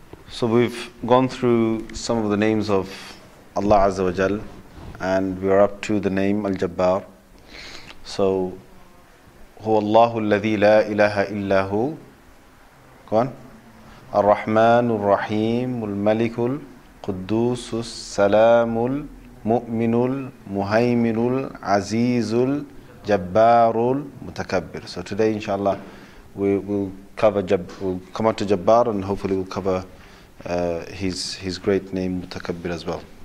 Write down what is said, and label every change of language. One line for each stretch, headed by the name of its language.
English: So we've gone through some of the names of Allah Azza wa Jal, and we're up to the name Al-Jabbar.
Arabic: So, هو الله الذي لا إله إلا هو.
English: Go on.
Arabic: الرحمن الرحيم الملك القدوس السلام المؤمن المهيمن العزيز الجبار المتكبر.
English: So today, inshallah, We'll come on to Jabbar, and hopefully we'll cover his great name Mutakabbir as well.